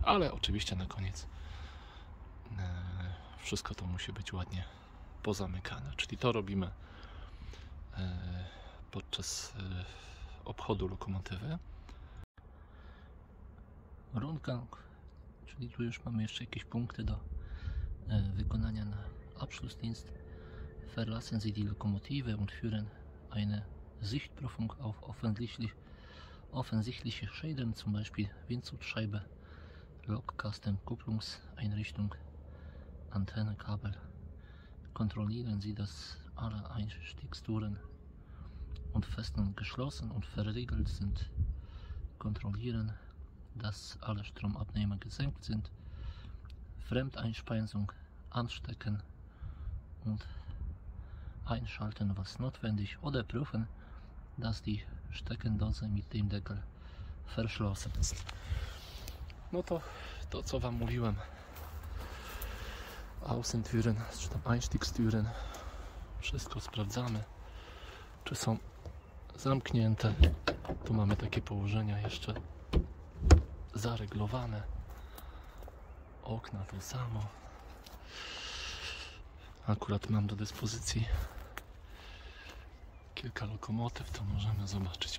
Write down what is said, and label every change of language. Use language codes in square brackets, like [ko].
[pl] Ale oczywiście na koniec wszystko to musi być ładnie pozamykane. Czyli to robimy podczas obchodu lokomotywy. Rundgang, czyli tu już mamy jeszcze jakieś punkty do wykonania na Abschlussdienst. [de] Verlassen Sie die Lokomotive und führen eine Sichtprüfung auf offensichtlich offensichtliche Schäden, zum Beispiel Windzugscheibe, Lokkasten, Kupplungseinrichtung, Antennenkabel. Kontrollieren Sie, dass alle Einstiegstüren und Fesseln geschlossen und verriegelt sind. Kontrollieren, dass alle Stromabnehmer gesenkt sind. Fremdeinspeisung anstecken und einschalten, was notwendig, oder prüfen, dass die Steckdose mit dem Deckel verschlossen ist. [pl] No to, to co Wam mówiłem. Außentüren, czy tam Einstiegstüren. Wszystko sprawdzamy, czy są zamknięte. Tu mamy takie położenia jeszcze zareglowane. Okna to samo. Akurat mam do dyspozycji kilka lokomotyw, to możemy zobaczyć.